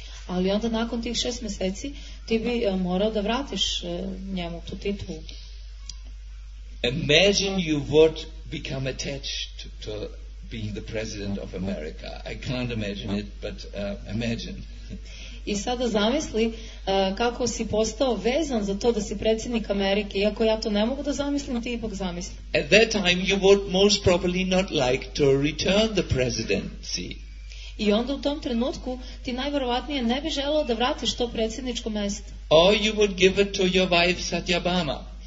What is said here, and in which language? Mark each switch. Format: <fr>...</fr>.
<sr>Ali onda nakon tih 6 mjeseci, ti bi morao da vratiš njemu tu titulu.</sr> <en>Imagine you would become attached to being the president of America. I can't imagine it, but imagine.</en> <sr>I sada zamisli kako si postao vezan za to da si predsjednik Amerike. Iako ja to ne mogu da zamislim, ti ipak zamisli.</sr> <en>At that time you would most probably not like to return the presidency.</en> <sr>I onda u tom trenutku ti najverovatnije ne bi želeo da vratiš to predsjedničko mjesto.</sr> <en>Or you would give it to your wife Satyabama.</en>